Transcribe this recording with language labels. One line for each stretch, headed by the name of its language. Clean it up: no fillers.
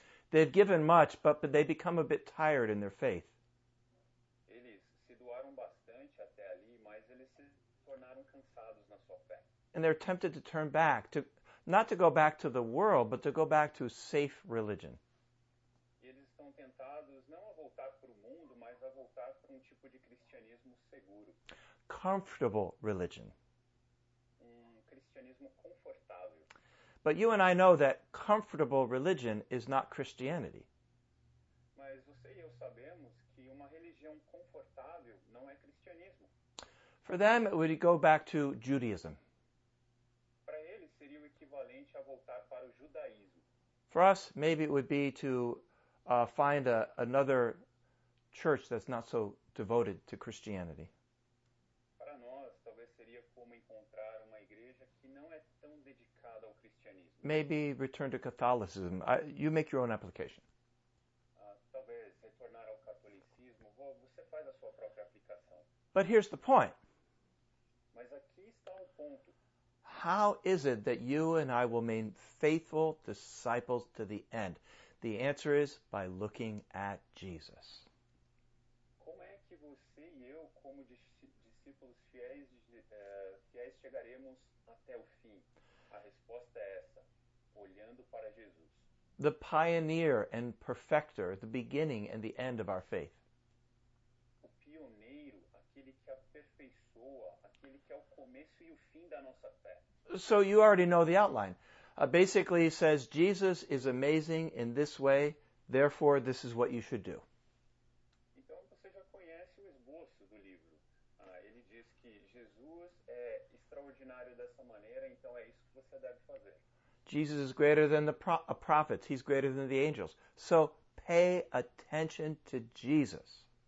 English: They've given much, but they become a bit tired in their faith.
Portuguese: Eles se doaram bastante até ali, mas eles se tornaram cansados na sua fé.
English: And they're tempted to turn back, not to go back to the world, but to go back to safe religion.
Portuguese: Eles estão tentados não a voltar para o mundo, mas a voltar para tipo de cristianismo seguro.
English: Comfortable religion.
Portuguese: Cristianismo confortável.
English: But you and I know that comfortable religion is not Christianity.
Portuguese: Mas você e eu sabemos que uma religião confortável não é cristianismo.
English: For them, it would go back to Judaism.
Portuguese: Para eles, seria o equivalente a voltar para o judaísmo.
English: For us, maybe it would be to find another church that's not so devoted to Christianity.
Portuguese: Para nós, talvez seria como encontrar uma igreja que não é tão dedicada ao cristianismo.
English: Maybe return to Catholicism. You make your own application.
Portuguese: Talvez retornar ao catolicismo. Você faz a sua própria aplicação.
English: But here's the point.
Portuguese: Mas aqui está o ponto.
English: How is it that you and I will remain faithful disciples to the end? The answer is by looking at Jesus.
Portuguese: Como é que você e eu, como discípulos fiéis, chegaremos até o fim? A resposta é essa, olhando para Jesus.
English: The pioneer and perfecter, the beginning and the end of our faith.
Portuguese: O pioneiro, aquele que aperfeiçoa, aquele que é o começo e o fim da nossa fé.
English: So you already know the outline. Basically, he says, Jesus is amazing in this way, therefore, this is what you should do.
Portuguese: Então, você já conhece o esboço do livro. Ele diz que Jesus é extraordinário dessa maneira, então é isso que você deve fazer.
English: Jesus is greater than the prophets. He's greater than the angels. So, pay attention to Jesus.